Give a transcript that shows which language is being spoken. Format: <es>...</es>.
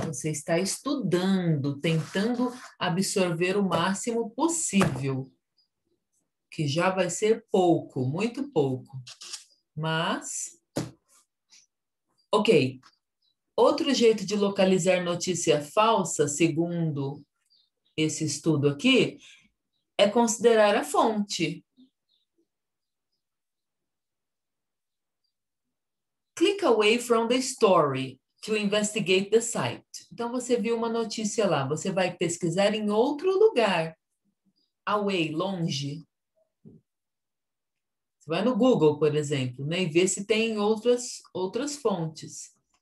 <pt>Você está estudando, tentando absorver o máximo possível, que já vai ser pouco, muito pouco. Mas, ok. Outro jeito de localizar notícia falsa, segundo esse estudo aqui, é considerar a fonte.</pt> <en>Click away from the story to investigate the site.</en> <pt>Então, você viu uma notícia lá, você vai pesquisar em outro lugar. Away, longe. Você vai no Google, por exemplo, né, e vê se tem outras fontes.</pt>